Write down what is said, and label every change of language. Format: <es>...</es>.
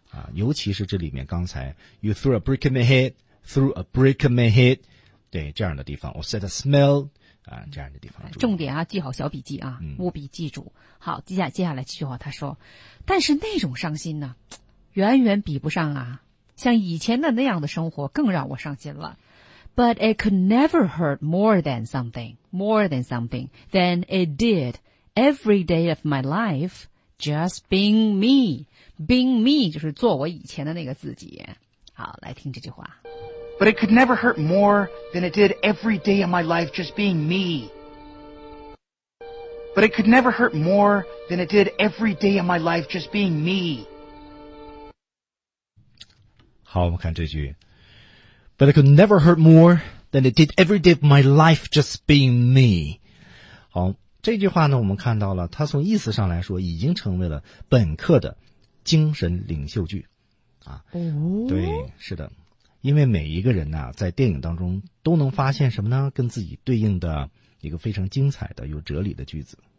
<zh>啊，尤其是这里面刚才 ,you threw a brick in my head, threw a brick in my head, 对，这样的地方 , or said a smell, 啊，这样的地方重点啊，记好小笔记啊，务必记住。好，接下来这句话他说，但是那种伤心呢远远比不上啊，像以前的那样的生活更让我伤心了。</zh> <en>But it could never hurt more than something than it did every day of my life just being me 就是做我以前的那个自己。好，来听这句话。 but it could never hurt more than it did every day of my life just being me. But it could never hurt more than it did every day of my life just being me.</en> <zh>好，我们看这句。 But it could never hurt more than it did every day of my life just being me. 好，这句话呢，我们看到了，它从意思上来说，已经成为了本课的精神领袖句。啊，对，是的，因为每一个人呢，在电影当中都能发现什么呢？跟自己对应的一个非常精彩的、有哲理的句子。</zh>